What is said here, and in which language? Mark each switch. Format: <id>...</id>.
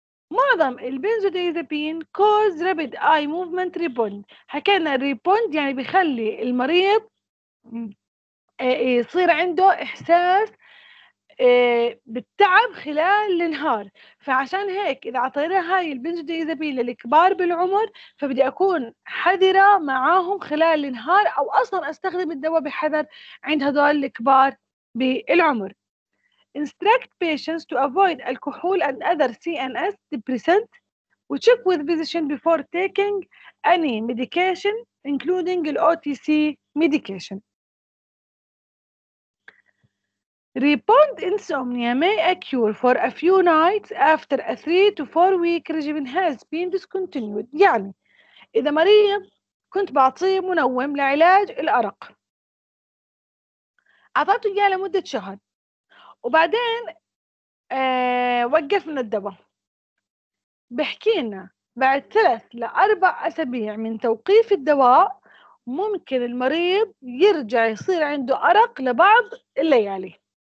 <ar>معظم البنزوديازيبين كوز رابيد اي موفمنت ريبوند، حكينا الريبوند يعني بيخلي المريض يصير عنده احساس بالتعب خلال النهار، فعشان هيك اذا عطينا هاي البنزوديازيبين للكبار بالعمر فبدي اكون حذره معاهم خلال النهار، او اصلا استخدم الدواء بحذر عند هذول الكبار بالعمر.</ar> <en>Instruct patients to avoid alcohol and other CNS depressants وcheck with physician before taking any medication including OTC medication. Rebound insomnia may occur for a few nights after a 3 to 4 week regimen has been discontinued.</en> <ar>يعني إذا مريض كنت بعطيه منوم لعلاج الأرق، أعطيته إياه لمدة شهر وبعدين وقفنا الدواء، بحكينا بعد 3 لـ4 أسابيع من توقيف الدواء ممكن المريض يرجع يصير عنده أرق لبعض الليالي.</ar>